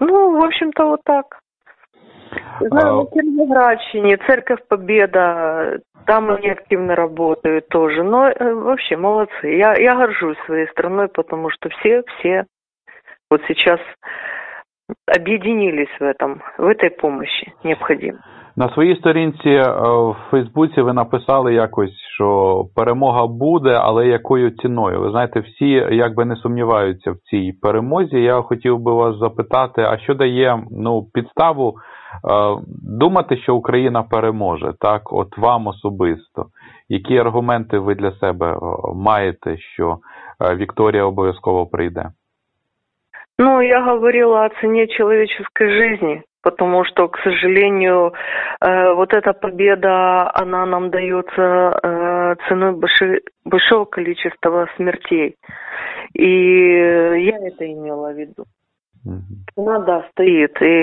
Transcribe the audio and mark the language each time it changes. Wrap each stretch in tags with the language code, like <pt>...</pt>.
<ru>Ну, в общем-то, вот так. Знаю, на Кировоградщине, Церковь Победа, там они активно работают тоже. Но вообще, молодцы. Я горжусь своей страной, потому что все вот сейчас объединились в этом, в этой помощи необходимо.</ru> <uk>На своїй сторінці в Фейсбуці ви написали якось, що перемога буде, але якою ціною? Ви знаєте, всі якби не сумніваються в цій перемозі. Я хотів би вас запитати, а що дає, ну, підставу думати, що Україна переможе, так, от вам особисто? Які аргументи ви для себе маєте, що Вікторія обов'язково прийде?</uk> <ru>Ну, я говорила о цене человеческой жизни, потому что, к сожалению, вот эта победа, она нам дается ценой большого количества смертей. И я это имела в виду. Она, да, стоит.</ru>